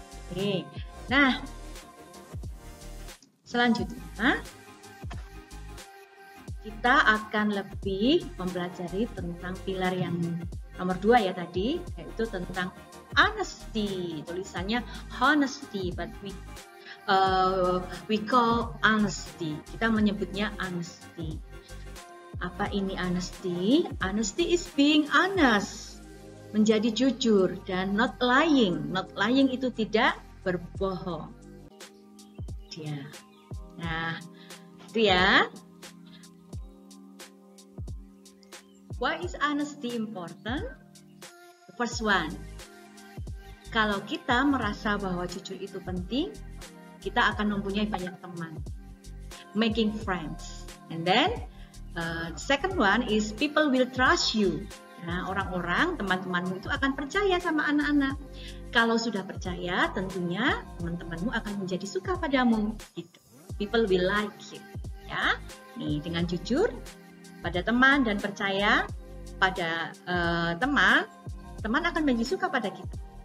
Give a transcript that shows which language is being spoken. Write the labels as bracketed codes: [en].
[id] Oke, nah, selanjutnya kita akan lebih mempelajari tentang pilar yang nomor 2 ya tadi, yaitu tentang honesty. [en] Tulisannya honesty, but we call honesty. [id] Kita menyebutnya honesty. Apa ini honesty? [en] Honesty is being honest. [id] Menjadi jujur dan [en] not lying. Not lying [id] itu tidak berbohong. Dia. Nah, itu ya. [en] Why is honesty important? The first one. [id] Kalau kita merasa bahwa jujur itu penting, kita akan mempunyai banyak teman. [en] Making friends. And then, second one is people will trust you. [id] Nah, orang-orang, teman-temanmu itu akan percaya sama anak-anak. Kalau sudah percaya, tentunya teman-temanmu akan menjadi suka padamu. Gitu. [en] People will like you. [id] Ya? Nih, dengan jujur pada teman dan percaya pada teman, teman akan menjadi suka pada kita.